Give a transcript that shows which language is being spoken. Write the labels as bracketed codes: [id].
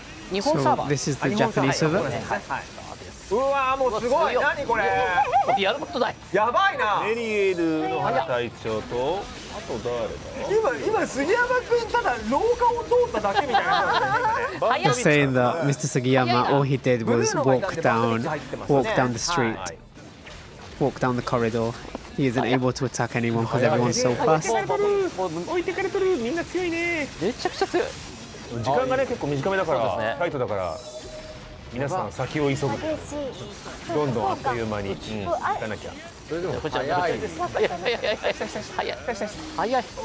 [ja] 日本サーバー、 [en] So this is the Japanese server。 [ja] はい、はいはい、うわー、もうすごい、なにこれ、やることない、やばいな。メリエルの隊長と、あと誰だ、今杉山くんただ廊下を通っただけみたいな。早い。 [en] You're saying that Mr. Sugiyama, all he did was walk down the street、 [ja] はい、 [en] walk down the corridor。 He isn't able to attack anyone because everyone's so fast. [ja] 置いてかれとる、みんな強いね。めちゃくちゃ強い。時間がね、結構短めだから、タイトだから、皆さん先を急ぐ。どんどんあっという間に行かなきゃ。それでも早い。早い。早い。早い。